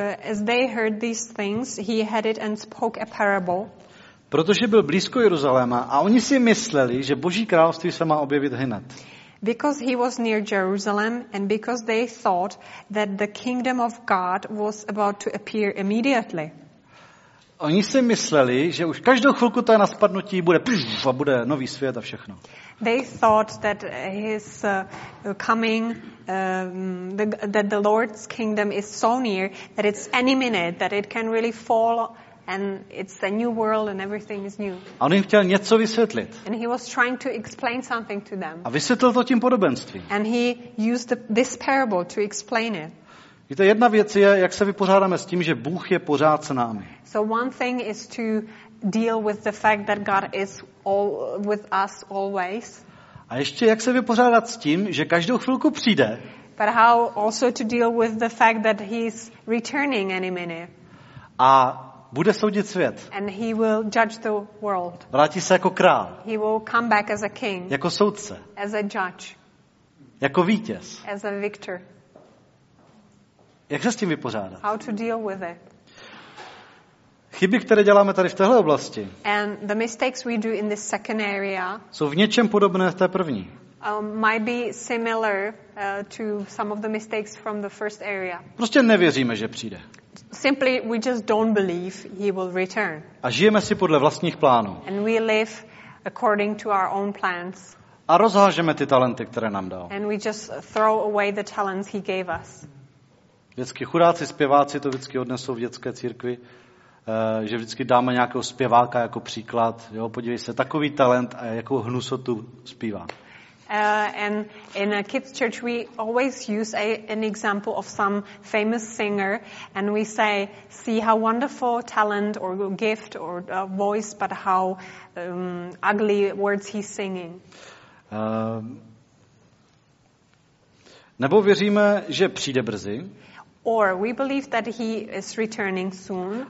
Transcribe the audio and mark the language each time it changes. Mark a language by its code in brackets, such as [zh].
[en] As they heard these things, he had it and spoke a parable. [cs] Protože byl blízko Jeruzaléma a oni si mysleli, že Boží království se má objevit hned. [en] because he was near Jerusalem and because they thought that the kingdom of God was about to appear immediately. [cs] Oni si mysleli, že už každou chvilku to je na spadnutí, bude pff, a bude nový svět a všechno. [en] They thought that his coming, that the Lord's kingdom is so near that it's any minute that it can really fall and it's a new world and everything is new. [cs] A on jim chtěl něco vysvětlit. [en] And he was trying to explain something to them. [cs] A vysvětlil to tím podobenstvím. [en] And he used this parable to explain it. [cs] Víte, jedna věc je, jak se vypořádáme s tím, že Bůh je pořád s námi. [en] So one thing is to deal with the fact that God is all with us always. [cs] A ještě jak se vypořádat s tím, že každou chvilku přijde. [en] But how also to deal with the fact that he's returning any minute. [cs] A bude soudit svět. [en] And he will judge the world. [cs] Vrátí se jako král. [en] He will come back as a king. [cs] Jako soudce. [en] As a judge. [cs] Jako vítěz. [en] As a victor. [cs] Jak se s tím vypořádat? [en] How to deal with it? [cs] Chyby, které děláme tady v téhle oblasti, [en] and the mistakes we do in this second area, [cs] jsou v něčem podobné té první. [en] Might be similar to some of the mistakes from the first area. [cs] Prostě nevěříme, že přijde. [en] Simply we just don't believe he will return. [cs] A žijeme si podle vlastních plánů. [en] And we live according to our own plans. [cs] A rozhážeme ty talenty, které nám dal. [en] And we just throw away the talents he gave us. [cs] Vždycky chudáci zpěváci to vždycky odnesou v dětské církvi, že vždycky dáme nějakého zpěváka jako příklad. Jo, podívej se, takový talent a jakou hnusotu zpívá. [en] And in a kids church we always use an example of some famous singer and we say, see how wonderful talent or gift or voice, but how ugly words he's singing. [cs] Nebo věříme, že přijde brzy. [en] Or we believe that he is returning soon.